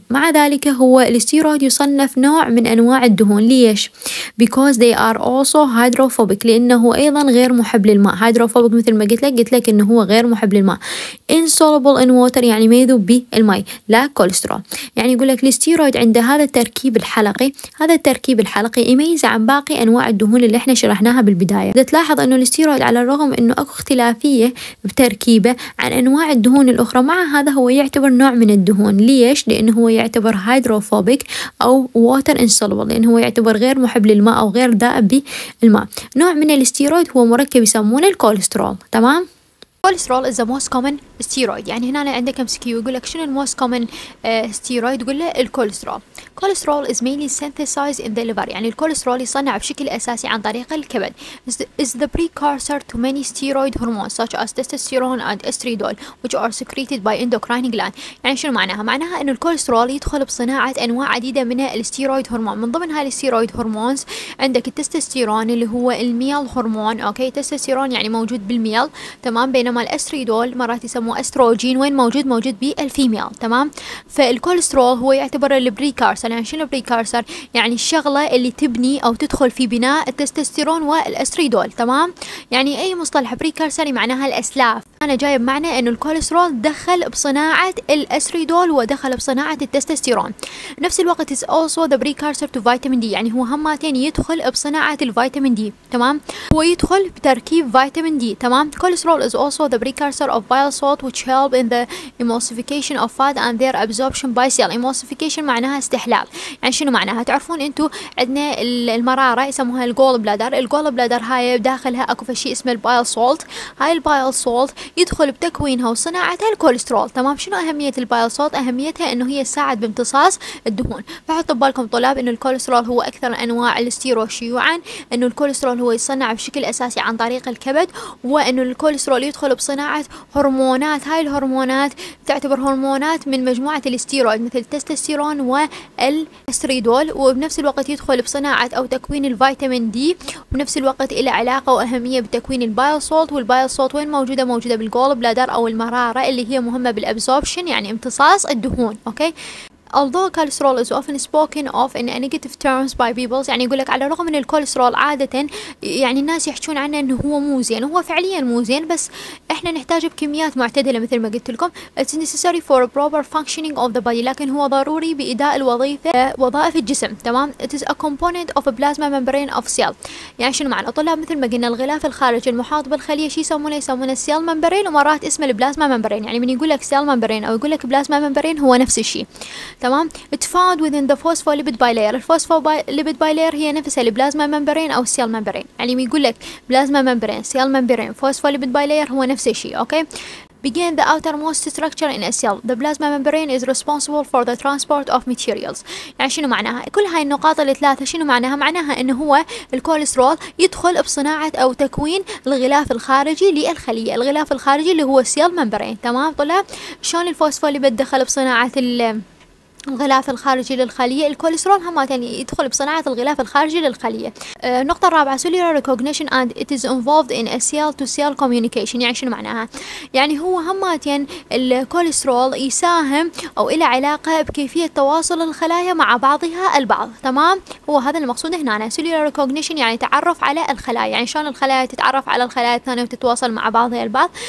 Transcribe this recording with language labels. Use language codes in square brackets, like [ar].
[ar] مع ذلك هو الستيرويد يصنف نوع من أنواع الدهون. ليش؟ [en] because they are also hydrophobic. [ar] لأنه أيضا غير محب للماء. hydrophobic مثل ما قلت لك إنه هو غير محب للماء. [en] insoluble in water [ar] يعني ما يذوب بالماء. لا كوليسترول. يعني يقولك الستيرويد عند هذا التركيب الحلقي، هذا التركيب الحلقي يميز عن باقي أنواع الدهون اللي إحنا شرحناها بالبداية. تلاحظ إنه الستيرويد على رغم انه اكو اختلافية بتركيبه عن انواع الدهون الاخرى، مع هذا هو يعتبر نوع من الدهون. ليش؟ لانه هو يعتبر هيدروفوبيك او ووتر انسولبل، لانه هو يعتبر غير محب للماء او غير دائب بالماء. نوع من الستيرويد هو مركب يسمونه الكوليسترول. تمام، [en] الكوليسترول is the most common steroid. [ar] يعني هنا عندك MCQ يقول لك شنو الموست كومن ستيرويد، يقول له الكوليسترول. [en] Cholesterol is mainly synthesized in the liver. [ar] يعني الكوليسترول يصنع بشكل أساسي عن طريق الكبد. [en] is the precursor to many steroid hormones such as testosterone and estradiol which are secreted by endocrine gland. [ar] يعني شنو معناها؟ معناها أن الكوليسترول يدخل بصناعة أنواع عديدة من الستيرويد هرمون. من ضمن هاي الستيرويد هرمونز عندك التستوستيرون اللي هو الميل هرمون. أوكي، تستوستيرون يعني موجود بالميل. تمام، بينما الأستريدول مرات يسموه أستروجين وين موجود؟ موجود بالفيميل. تمام، فالكوليسترول هو يعتبر البريكارسر. يعني شنو البريكارسر؟ يعني الشغلة اللي تبني أو تدخل في بناء التستوستيرون والأستريدول. تمام، يعني أي مصطلح بريكارسر معناها الأسلاف. أنا جايب معنى إنه الكوليسترول دخل بصناعة الأستريدول ودخل بصناعة التستوستيرون. نفس الوقت [en] is also the precursor to vitamin D. [ar] يعني هو همتين يدخل بصناعة الفيتامين دي. تمام، هو يدخل بتركيب فيتامين دي. تمام، [en] Cholesterol is also the precursor of bile salt which help in the emulsification of fat and their absorption by cell. [ar] emulsification معناها استحلال. يعني شنو معناها؟ تعرفون أنتوا عندنا المرارة يسموها الجول بلادر. الجول بلادر هاي بداخلها أكو فشي اسمه البايل سولت. هاي البايل سولت يدخل بتكوينها وصناعتها الكوليسترول. تمام، شنو أهمية البايل سولت؟ أهميتها أنه هي تساعد بامتصاص الدهون. فحطوا ببالكم طلاب أنه الكوليسترول هو أكثر أنواع الستيرويد شيوعا، أنه الكوليسترول هو يصنع بشكل أساسي عن طريق الكبد، وأنه الكوليسترول يدخل بصناعة هرمونات. هاي الهرمونات تعتبر هرمونات من مجموعة الستيرويد مثل التستوستيرون والأستريدول، وبنفس الوقت يدخل بصناعة أو تكوين الفيتامين دي، وبنفس الوقت إلى علاقة وأهمية بتكوين البايل سولت. والبايل سولت وين موجودة؟ موجودة بالجول بلادر أو المرارة اللي هي مهمة بالأبزوربشن يعني امتصاص الدهون. [en] Okay, although cholesterol is often spoken of in negative terms by people. [ar] يعني يقول لك على الرغم من الكوليسترول عادة يعني الناس يحكون عنه انه هو مو زين، هو فعليا مو زين، بس احنا نحتاجه بكميات معتدلة مثل ما قلت لكم. [en] it's necessary for a proper functioning of the body. [ar] لكن هو ضروري بإداء الوظيفة وظائف الجسم. تمام، [en] it is a component of a plasma membrane of cell. [ar] يعني شنو معنى طلاب؟ مثل ما قلنا الغلاف الخارجي المحاط بالخلية شي يسمونه cell membrane، ومرات اسمه plasma membrane. يعني من يقول لك cell membrane او يقول لك plasma membrane هو نفس الشيء. تمام. [en] It found within the phospholipid bilayer. [ar] Phospholipid bilayer هي نفسها البلازما ممبرين أو السيال ممبرين. يعني يقول لك بلازما ممبرين، سيال ممبرين، phospholipid bilayer هو نفس الشيء، أوكي؟ [en] Begin the outermost structure in a cell. The plasma membrane is responsible for the transport of materials. [ar] يعني شنو معناها؟ كل هاي النقاط الثلاثة شنو معناها؟ معناها إنه هو الكوليسترول يدخل بصناعة أو تكوين الغلاف الخارجي للخلية. الغلاف الخارجي اللي هو cell membrane. تمام طلاب؟ شلون الفوسفوليبيد دخل بصناعة الغلاف الخارجي للخلية؟ الكوليسترول هم تاني يدخل بصناعة الغلاف الخارجي للخلية. النقطة الرابعة [en] cellular recognition and it is involved in a cell to cell communication. [ar] يعني شنو معناها؟ يعني هو هم تاني الكوليسترول يساهم أو إلى علاقة بكيفية تواصل الخلايا مع بعضها البعض، تمام؟ هو هذا المقصود هنا أنا. cellular recognition يعني تعرف على الخلايا، يعني شلون الخلايا تتعرف على الخلايا الثانية وتتواصل مع بعضها البعض.